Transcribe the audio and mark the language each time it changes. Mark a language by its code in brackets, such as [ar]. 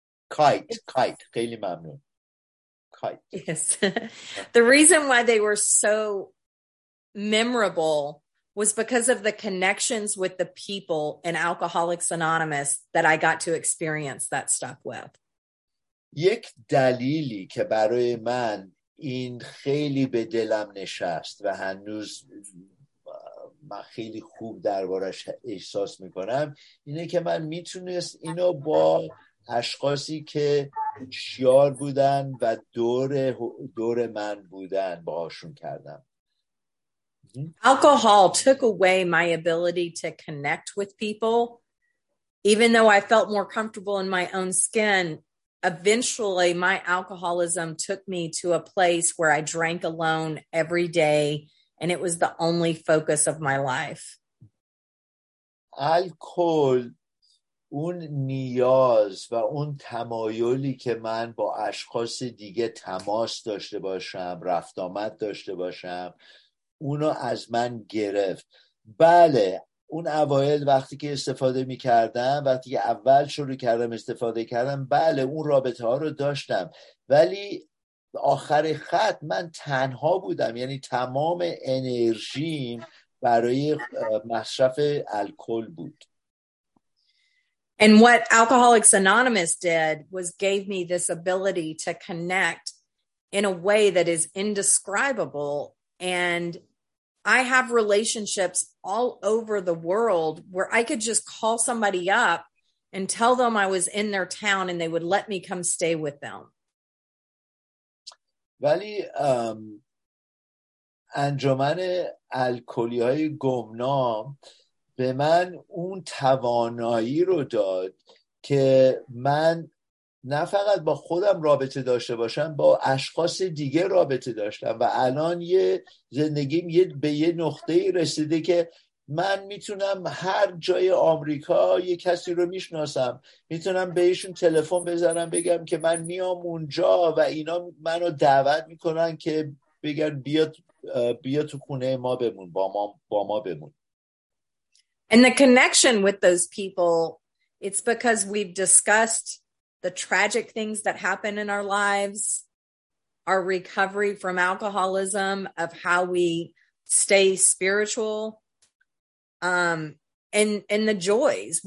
[fa] kite, خیلی ممنون. Kite. [en] Yes. The reason why they were so memorable was because of the connections with the people in Alcoholics Anonymous that I got to experience that stuff with. [fa] یک دلیلی که برای من این خیلی به دلم نشست و هنوز من خیلی خوب دربارش احساس میکنم اینه که من میتونست اینو با اشخاصی که شیار بودن و دور من بودن باهاشون کردم. [en] Alcohol took away my ability to connect with people. Even though I felt more comfortable in my own skin, eventually my alcoholism took me to a place where I drank alone every day, and it was the only focus of my life. [fa] Alcohol, اون نیاز و اون تمایلی که من با اشخاص دیگه تماس داشته باشم، رفت آمد داشته باشم، اونو از من گرفت. بله، اون اوایل وقتی که استفاده می کردم، وقتی که اول شروع کردم استفاده کردم، بله اون رابطه ها رو داشتم، ولی آخر خط من تنها بودم، یعنی تمام انرژیم برای مصرف الکل بود. [en] And what Alcoholics Anonymous did was gave me this ability to connect in a way that is indescribable. And I have relationships all over the world where I could just call somebody up and tell them I was in their town and they would let me come stay with them. [fa] ولی انجمن الکلی‌های گمنام به من اون توانایی رو داد که من نه فقط با خودم رابطه داشته باشم، با اشخاص دیگه رابطه داشتم و الان یه زندگیم به یه نقطه‌ای رسیده که من میتونم هر جای آمریکا یه کسی رو میشناسم، میتونم بهشون تلفن بزنم بگم که من میام اونجا و اینا منو دعوت میکنن که بگن بیا تو خونه ما بمون، با ما بمون. [en] And the connection with those people, it's because we've discussed the tragic things that happen in our lives, our recovery from alcoholism, of how we stay spiritual, and the joys.